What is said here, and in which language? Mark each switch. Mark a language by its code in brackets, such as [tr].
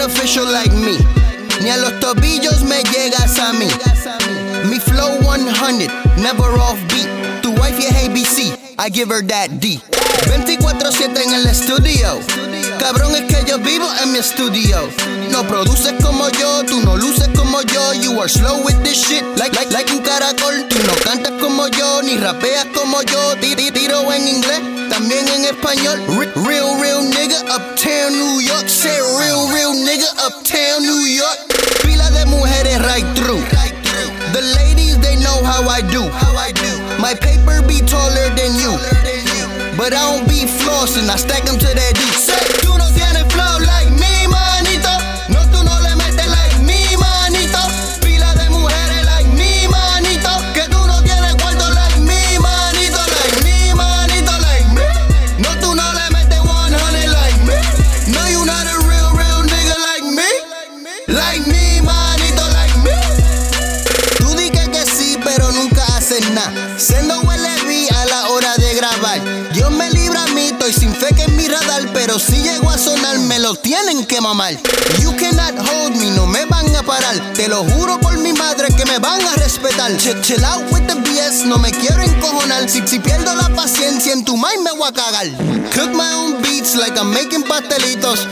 [en] Like me, [es] ni a los tobillos me llegas a mí. Mi flow 100, [en] never off beat. Tu wife yeah ABC, I give her that D. [es] 24/7 en el estudio. Cabrón, es que yo vivo en mi estudio. No produces como yo, tú no luces como yo. [en] You are slow with this shit, like [es] un caracol. Tú no cantas como yo, ni rapeas como yo. Tiro en inglés, también en español. [en] Real, real nigga, uptown New York. Say real, real nigga, uptown New York. [es] Pila de mujeres [en] right through. The ladies, they know how I do. My paper be taller than you. But I don't be flossing, I stack them to that D. [es] Say, tú no tienes flow [en] like me, [es] manito. No, tú no le metes like me, manito. Pila de mujeres [en] like me, [es] manito. Que tú no tienes cuarto [en] like me, [es] manito. Like me, manito, [en] like me. [es] No, tú no le metes 100 like me. [en] No, you not a real, real nigga like me. Like me, manito, like me. [es] Tú dices que sí, pero nunca haces nada. Siendo LV a la hora de grabar. Sin fe que en mi radar, pero si llego a sonar, me lo tienen que mamar. [en] You cannot hold me, [es] no me van a parar. Te lo juro por mi madre que me van a respetar. [en] Chill out with the BS, [es] no me quiero encojonar. Si pierdo la paciencia, en tu mind me voy a cagar. [en] Cook my own beats like I'm making pastelitos.